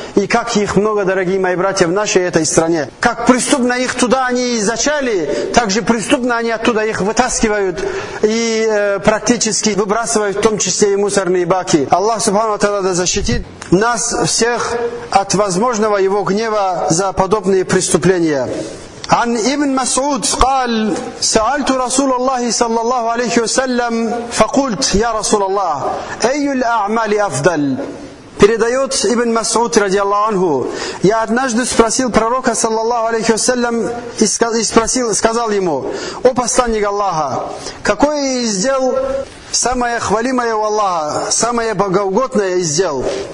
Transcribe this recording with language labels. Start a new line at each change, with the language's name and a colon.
Russian: И как их много, дорогие мои братья, в нашей этой стране. Как преступно их туда они изначали, так же преступно они оттуда их вытаскивают и практически выбрасывают, в том числе и мусорные баки. Аллах Субхану Тааля да защитит нас всех от возможного его гнева за подобные преступления.
Arabic: عن ابن مسعود قال سألت رسول الله صلى الله عليه وسلم فقلت يا رسول الله أي الأعمال أفضل.
Russian: Передает ибн Масуд радиаллаху анху. Я однажды спросил пророка, саллаллаху алейхи вассалям, и спросил, сказал ему, о посланник Аллаха, какое из дел самое хвалимое у Аллаха, самое богоугодное из дел?